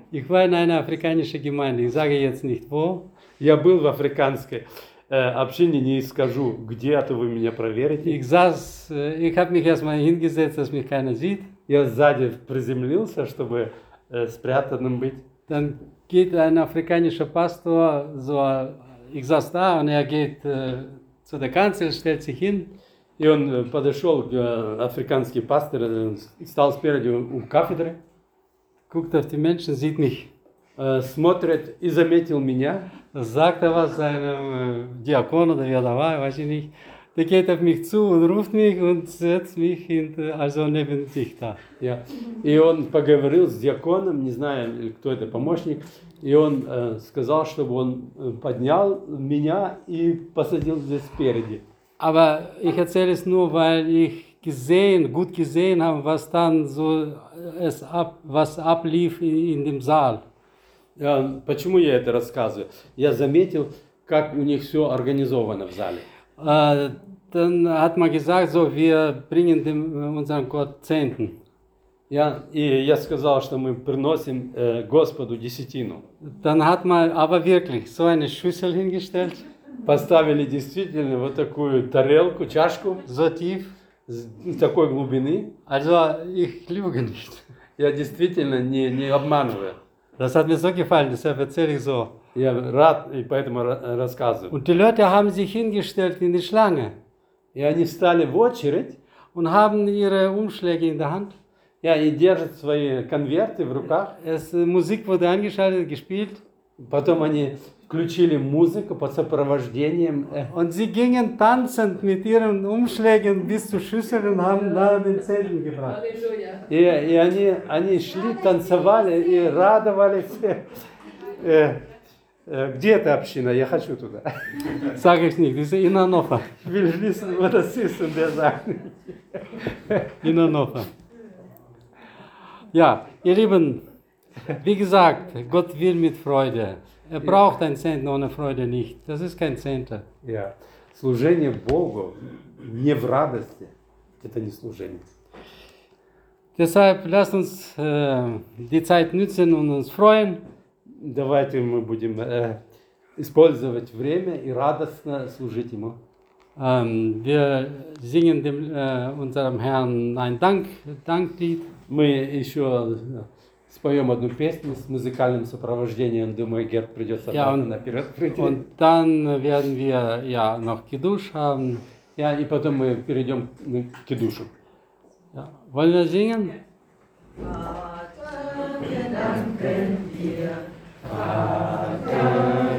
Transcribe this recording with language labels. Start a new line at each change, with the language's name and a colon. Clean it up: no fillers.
German: Ich war in einer afrikanischen Gemeinde. Ich sage jetzt nicht wo.
Russian: Я был в африканской общине, не скажу, где, а то вы меня проверите.
German: Ich habe mich erstmal hingesetzt, dass mich keiner sieht.
Russian: Я сзади приземлился, чтобы спрятанным быть.
German: Dann geht ein afrikanischer Pastor, so, ich saß da und er geht... zu der Kanzel, stellt sich hin.
Russian: И он подошел, африканский пастор, стал спереди у кафедры.
German: Guckt auf die Menschen, sieht mich.
Russian: Смотрит и заметил меня.
German: Sagt was seinem Diakon oder wer da war, weiß ich nicht. Der geht auf mich zu und ruft mich und setzt mich also neben sich da. Ja.
Russian: И он поговорил с диаконом, не знаю, кто это, помощник, и он сказал, чтобы он поднял меня и посадил здесь спереди.
German: Aber ich erzähle es nur, weil ich gesehen, gut gesehen habe, was dann so es ab, was ablief in dem Saal.
Russian: Ja, почему я это рассказываю? Я заметил, как у них все организовано в зале.
German: Dann hat man gesagt, so, wir bringen dem, unseren Gott Zehnten.
Russian: Ja, и я сказал, что мы приносим Господу десятину.
German: Dann hat man aber wirklich so eine Schüssel hingestellt.
Russian: Поставили действительно вот такую тарелку, чашку.
German: So tief.
Russian: С такой глубины.
German: Also, ich lüge nicht.
Russian: Я действительно не обманываю.
German: Das hat mir so gefallen, deshalb erzähle ich so.
Russian: Я рад, и поэтому рассказываю.
German: Und die Leute haben sich hingestellt in die Schlange.
Russian: И они встали в очередь.
German: Und haben ihre Umschläge in der Hand.
Russian: Ja, и держат свои конверты в руках.
German: Es, Musik wurde angeschaltet, gespielt.
Russian: Потом они включили музыку под сопровождением.
German: Und sie gingen tanzend mit ihren Umschlägen bis zur Schüssel und haben da den Zehnten gebracht.
Russian: И они шли, танцевали и радовались. Где эта община? Я хочу туда.
German: Sag ich nicht, das ist in Hannover. Will ich wissen, was das ist, und der sagt. In Hannover. Ja, ihr Lieben, wie gesagt, Gott will mit Freude. Er braucht einen Zehnten ohne Freude nicht. Das ist kein Zehnter.
Russian: Ja, служение Богу не в радости. Это не служение.
German: Deshalb lasst uns die Zeit nützen und uns freuen.
Russian: Давайте мы будем использовать время и радостно служить ему.
German: Wir singen dem, unserem Herrn ein Danklied.
Russian: Мы еще споем одну песню с музыкальным сопровождением. Думаю, Герд придется
German: ja, und,
Russian: наперед прийти.
German: Und dann werden wir ja, noch Kiddush haben.
Russian: Ja, и потом мы перейдем к Kiddushу.
German: Ja. Wollen wir singen? Vater, wir danken dir. Vater,